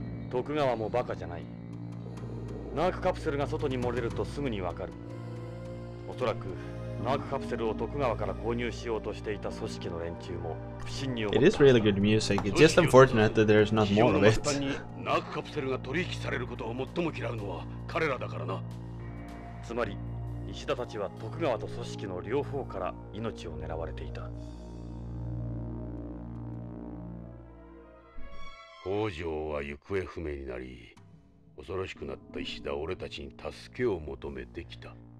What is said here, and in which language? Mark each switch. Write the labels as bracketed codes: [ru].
[ja] 徳川もバカじゃない。ナークカプセルが外に漏れるとすぐにわかる。おそらくナークカプセルを徳川から購入しようとしていた組織の連中も不審に思った。 [en] It is really good music. It's just unfortunate that there's not more of it. [ja] ナークカプセルが取引されることを最も嫌うのは彼らだからな。つまり石田たちは徳川と組織の両方から命を狙われていた。北条は行方不明になり、恐ろしくなった石田は俺たちに助けを求めてきた。